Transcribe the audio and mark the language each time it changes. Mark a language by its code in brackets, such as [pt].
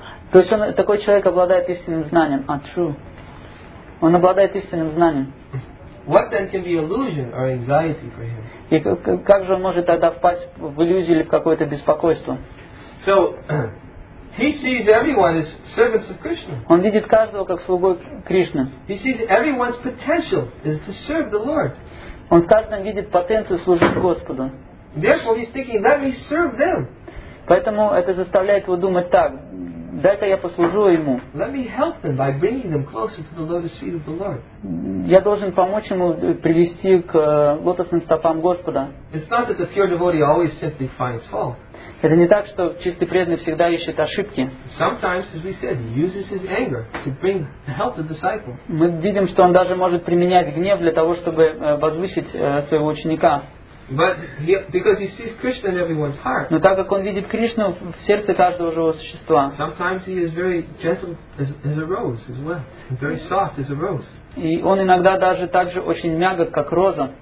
[ru] То есть он, такой человек обладает истинным знанием. А, true. Он обладает истинным знанием. [en] What then can be illusion or anxiety for him? [ru] И как же он может тогда впасть в иллюзию или в какое-то беспокойство? [en] So, he sees everyone as servants of Krishna. [ru] Он видит каждого как слугой Кришны. [en] He sees everyone's potential is to serve the Lord. [ru] Он в каждом видит потенцию служить Господу. [en] Therefore, he's thinking, let me serve them. [ru] Поэтому это заставляет его думать так. Дай-ка я послужу ему. [en] Let me help them by bringing them closer to the lotus feet of the Lord. [ru] Я должен помочь ему привести к лотосным стопам Господа. [en] It's not that the pure devotee always simply finds fault. [ru] Это не так, что чистый преданный всегда ищет ошибки. [en] Sometimes, as we said, he uses his anger to bring to help the disciple. [ru] Мы видим, что он даже может применять гнев для того, чтобы возвысить своего ученика. [en] But he, because he sees Krishna in everyone's heart. [ru] Но так как он видит Кришну в сердце каждого живого существа. [en] Sometimes he is very gentle as a rose as well, very soft as a rose. [ru] И он иногда даже также очень мягок, как роза.